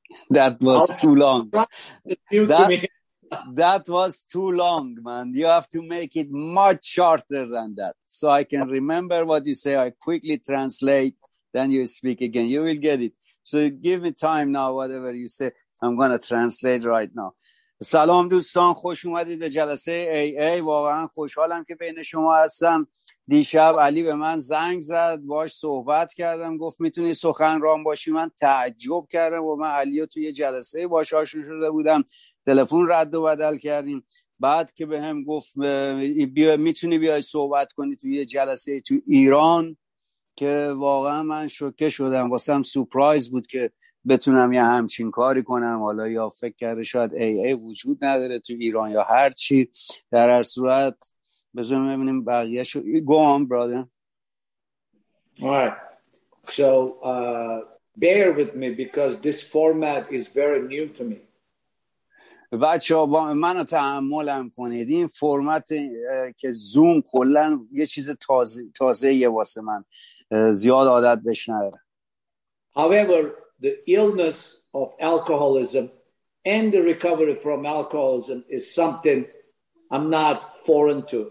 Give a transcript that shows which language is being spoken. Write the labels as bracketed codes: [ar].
[en] That was too long. That was too long, man. You have to make it much shorter than that. So I can remember what you say. I quickly translate. Then you speak again. You will get it. So give me time now, whatever you say. I'm going to translate right now. [fa] سلام دوستان، خوش اومدید به جلسه AA. واقعا خوشحالم که بین شما هستم. دیشب علی به من زنگ زد، باش صحبت کردم، گفت میتونی سخنران باشی. من تعجب کردم و من علی رو توی جلسه باش آشنا شده بودم، تلفن رد و بدل کردیم. بعد که به هم گفت بیا میتونی بیای صحبت کنی توی جلسه تو ایران، که واقعا من شوکه شدم، واسم سورپرایز بود که بتونم یه همچین کاری کنم. حالا یا فکر کرده شاید AA وجود نداره تو ایران یا هر چی، در هر صورت بذاریم ببینیم بقیه شو. [en] Go on, brother. Alright. So, bear with me because this format is very new to me. [fa] بچه ها منو تحملم کنید، این فرمت که زوم کلن یه چیز تازه یه واسه من، زیاد عادت بهش ندارم. [en] However, the illness of alcoholism and the recovery from alcoholism is something I'm not foreign to.